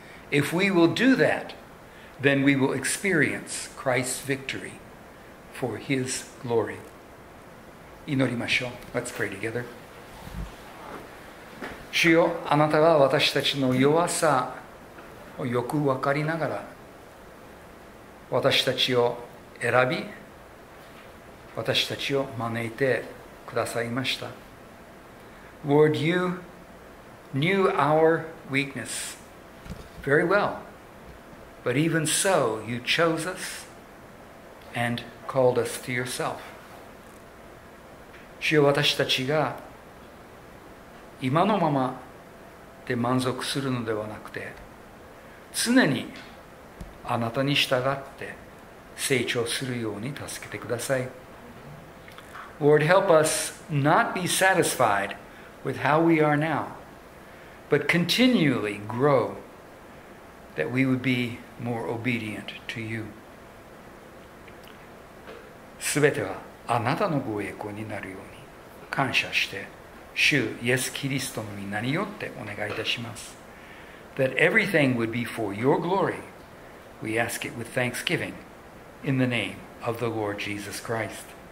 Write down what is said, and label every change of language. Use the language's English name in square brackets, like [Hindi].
[English] If we will do that,then we will experience Christ's victory for His glory. [Japanese] 祈りましょう。 [English] Let's pray together. [Japanese] 主よ、あなたが私たちの弱さをよく分かりながら、私たちを選び、私たちを招いてくださいました。 [English] Lord, You knew our weakness very well. But even so, you chose us and called us to yourself. [Japanese] 主よ、私たちが今のままで満足するのではなくて、常にあなたに従って成長するように助けてください。 [English] Lord, help us not be satisfied with how we are now, but continually grow that we would be more obedient to you. [Japanese] すべてはあなたのご栄光になるように感謝して、主イエスキリストの御名によってお願いいたします。 [English] That everything would be for your glory, we ask it with thanksgiving in the name of the Lord Jesus Christ.